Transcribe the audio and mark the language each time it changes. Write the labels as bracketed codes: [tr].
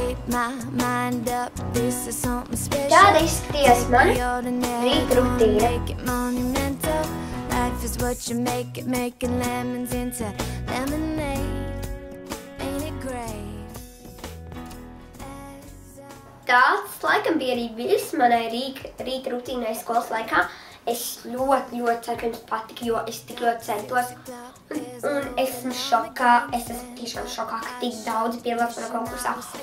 [lv] Tāda izskaties mani rīta rutīne. [en] Life is what you make it, making lemons into lemonade. Ain't it great? [lv] Tāds laikam bija arī viss manai rīta rutīnai skolas laikā. Es ļoti, ļoti ceru, ka jums patika, jo es tik ļoti centos. Un esmu šokā, es esmu tiešām šokā, ka tik daudz pievilkts manā konkursā.